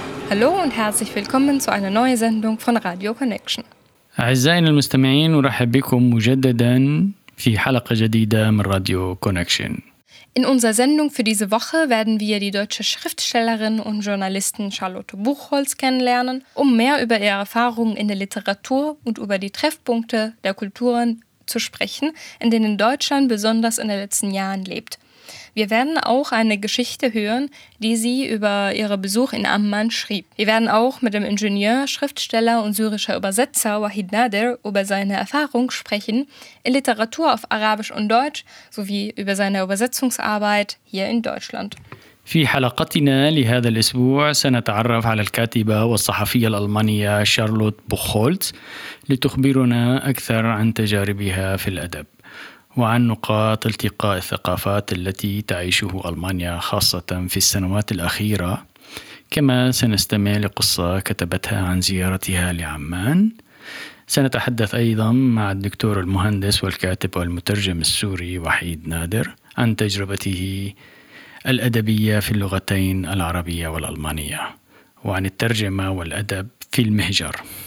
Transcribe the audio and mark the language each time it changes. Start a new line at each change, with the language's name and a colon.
German: Hallo und herzlich willkommen zu einer neuen Sendung von Radio Connection.
Arabic: أعزائنا المستمعين ورحب بكم مجددا في حلقة جديدة من راديو Connection.
German: In unserer Sendung für diese Woche werden wir die deutsche Schriftstellerin und Journalistin Charlotte Buchholz kennenlernen, um mehr über ihre Erfahrungen in der Literatur und über die Treffpunkte der Kulturen zu sprechen, in denen Deutschland besonders in den letzten Jahren lebt. Wir werden auch eine Geschichte hören, die sie über ihren Besuch in Amman schrieb. Wir werden auch mit dem Ingenieur, Schriftsteller und syrischer Übersetzer Wahid Nader über seine Erfahrung sprechen in Literatur auf Arabisch und Deutsch sowie über seine Übersetzungsarbeit hier in Deutschland.
Arabic: في حلقتنا لهذا الأسبوع سنتعرف على الكاتبة والصحفية الألمانية شارلوت بوخولتز لتخبرنا أكثر عن تجاربها في الأدب. وعن نقاط التقاء الثقافات التي تعيشه ألمانيا خاصة في السنوات الأخيرة كما سنستمع لقصة كتبتها عن زيارتها لعمان سنتحدث أيضا مع الدكتور المهندس والكاتب والمترجم السوري وحيد نادر عن تجربته الأدبية في اللغتين العربية والألمانية وعن الترجمة والأدب في المهجر